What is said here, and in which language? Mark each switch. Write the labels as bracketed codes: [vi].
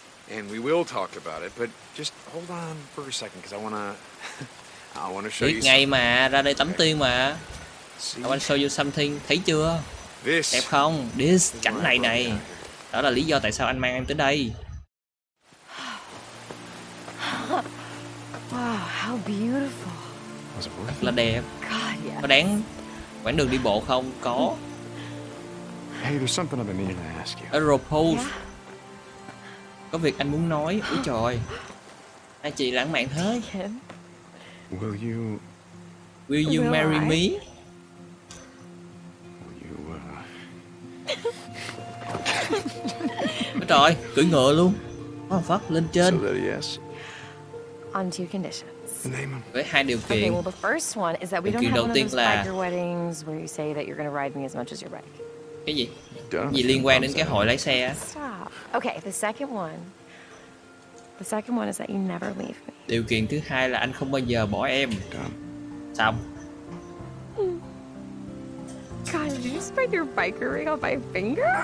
[en] And we will talk about it, but just hold on for a second, because I wanna show you. [vi] Biết ngay mà, ra đây tắm tiên mà. [en] I wanna show you something. [vi] Thấy chưa? [en] This. [vi] Đẹp không? This. Cảnh này này. Đó là lý do tại sao anh mang em tới đây. [en] Wow, how beautiful. [vi] Thật là đẹp. [en] God, yeah. [vi] Có đáng quãng đường đi bộ không? Có. [en] Hey, there's something I've been meaning to ask you. [vi] A propose. Yeah. Có việc anh muốn nói. Úi trời. Hai chị lãng mạn thế. [en] Will you marry me? [vi] Úi trời, cưỡi ngựa luôn. Hoa phát lên trên. [en] So yes. On two conditions. [vi] Với hai điều kiện. [en] Okay, well, the first one is that we [vi] điều [en] don't have [vi] là... [en] weddings where you say that you're gonna ride me as much as your bike. [vi] Cái gì? Gì liên quan đến cái hội lái xe? [en] Stop. Okay, the second one is that you never leave me. [vi] Điều kiện thứ hai là anh không bao giờ bỏ em. Xong. [en] God, did you just break your biker ring off my finger?